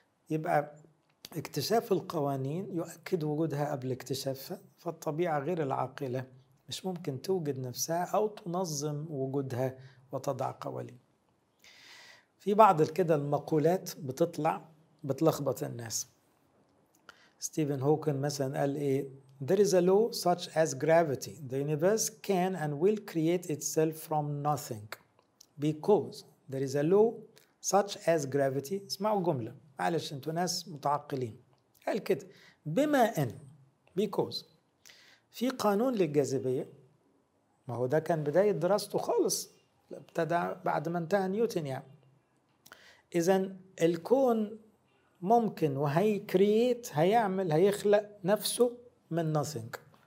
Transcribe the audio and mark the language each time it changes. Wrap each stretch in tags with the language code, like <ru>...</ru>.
<ar>يبقى اكتشاف القوانين يؤكد وجودها قبل اكتشافها، فالطبيعة غير العاقلة مش ممكن توجد نفسها أو تنظم وجودها وتضع قوانين. في بعض كده المقولات بتطلع بتلخبط الناس. ستيفن هوكن مثلا قال إيه؟</ar> <en>There is a law such as gravity. The universe can and will create itself from nothing because there is a law such as gravity.</en> <ar>اسمعوا جملة، معلش انتوا ناس متعقلين، قال كده بما ان because في قانون للجاذبية. ما هو ده كان بداية دراسته خالص، ابتدى بعد ما انتهى نيوتن يعني. اذا الكون ممكن وهي كرييت، هيعمل هيخلق نفسه من nothing.</ar>